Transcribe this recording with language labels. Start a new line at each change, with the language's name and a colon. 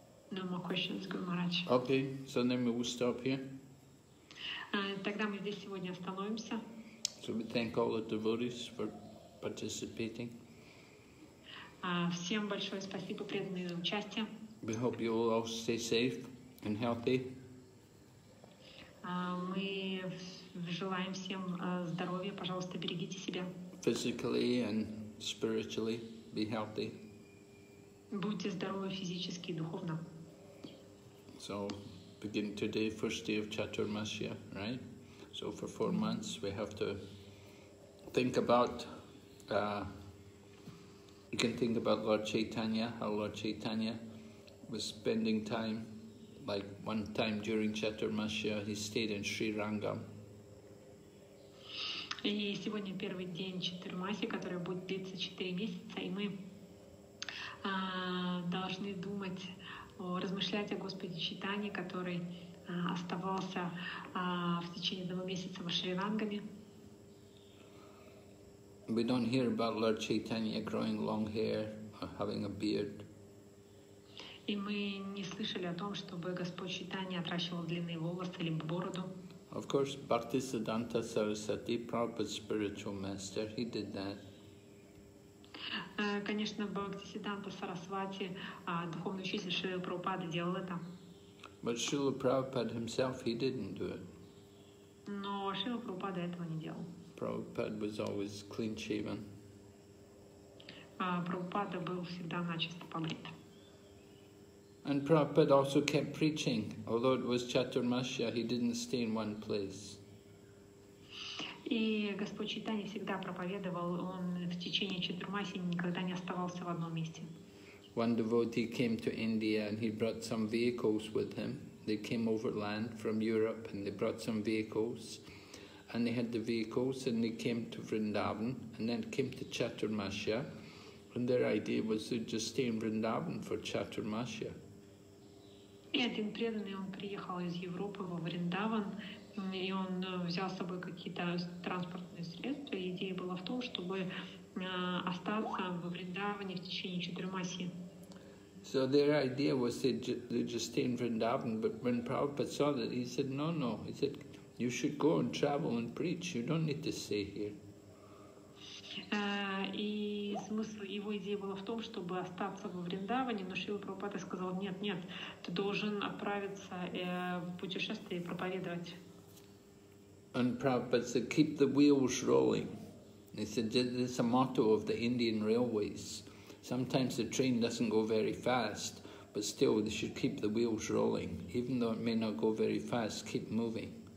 English: No more questions, Guru Maharaj. Okay, so then we will stop here.
Russian: Тогда мы здесь сегодня остановимся.
English: So we thank all the devotees for participating.
Russian: Всем большое спасибо, преданные, за участие.
English: We hope you all stay safe and healthy.
Russian: Мы желаем всем здоровья. Пожалуйста, берегите себя.
English: Physically and spiritually, be healthy.
Russian: Будьте здоровы физически и духовно.
English: So, begin today, first day of Chaturmasya, right? So for 4 months, we have to think about, you can think about Lord Chaitanya, how Lord Chaitanya was spending time, like one time during Chaturmasya, he stayed in Sri Rangam.
Russian: И сегодня первый день Чатурмаси, который будет длиться 4 месяца, и мы должны размышлять о Господе Чайтанье, который оставался в течение 2 месяца в Шри-Рангаме.
English: We don't hear about Lord Chaitanya growing long hair or having a beard.
Russian: И мы не слышали о том, чтобы Господь Чайтанья отращивал длинные волосы либо бороду.
English: Of course, Bhaktisiddhanta Sarasati, Prabhupada's spiritual master, he did that.
Russian: Конечно, Бхактисиддханта Сарасвати, духовный учитель Шрилы Прабхупады, делал это.
English: But Srila Prabhupada himself, he didn't do it.
Russian: Но Шрила Прабхупада этого не делал.
English: Prabhupada was always clean-shaven.
Russian: Прабхупада был всегда начисто побрит.
English: And Prabhupada also kept preaching, although it was Chaturmasya, he didn't stay in one place.
Russian: И Господь Чайтанья всегда проповедовал, он в течение Чатурмаси никогда не оставался в одном месте.
English: One devotee came to India and he brought some vehicles with him. They came overland from Europe and they brought some vehicles. And they had the vehicles and they came to Vrindavan and then came to Chaturmasya. And their idea was to just stay in Vrindavan for Chaturmasya.
Russian: И один преданный, он приехал из Европы во Вриндаван, и он взял с собой какие-то транспортные средства. Идея была в том, чтобы остаться во Вриндаване в течение Чатурмаси.
English: So their idea was they just stay in Vrindavan, but when Prabhupada saw that, he said, no, no, he said, you should go and travel and preach, you don't need to stay here.
Russian: И смысл его идеи была в том, чтобы остаться во Вриндаване, но Шрила Прабхупада сказал, нет, нет, ты должен отправиться в путешествие и проповедовать.
English: And Prabhupada said, keep the wheels rolling. He said, there's a motto of the Indian railways. Sometimes the train doesn't go very fast, but still they should keep the wheels rolling. Even though it may not go very fast, keep moving.